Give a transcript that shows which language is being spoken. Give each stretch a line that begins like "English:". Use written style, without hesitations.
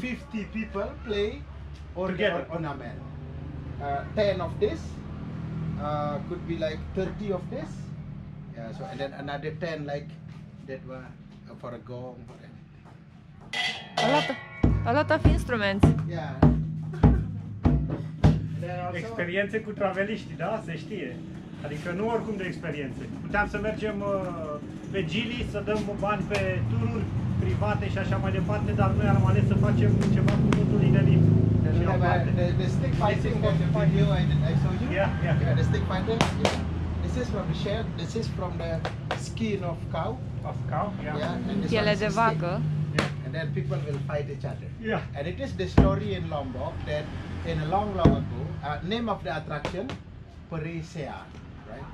English: 50 people play organ ornament. 10 of this could be like 30 of this. Yeah, so and then another 10 like that were for a gong or anything. A lot of instruments. Yeah.
Romanian: Experiențe cu traveliști, da? Se știe. Adică nu oricum de experiențe. Puteam să mergem pe Gili, să dăm bani pe tururi private și așa mai departe, dar noi am ales să facem ceva cu totul inedit.
English: The stick fighting was the video I saw you. Yeah, the stick fighting. This is from the shed. This is from the skin of cow. Of cow, yeah.
Romanian: Piele de vacă.
English: Yeah. And then people will fight each other. Yeah. And it is the story in Lombok that in a long, long ago, name of the attraction, Parisian, right?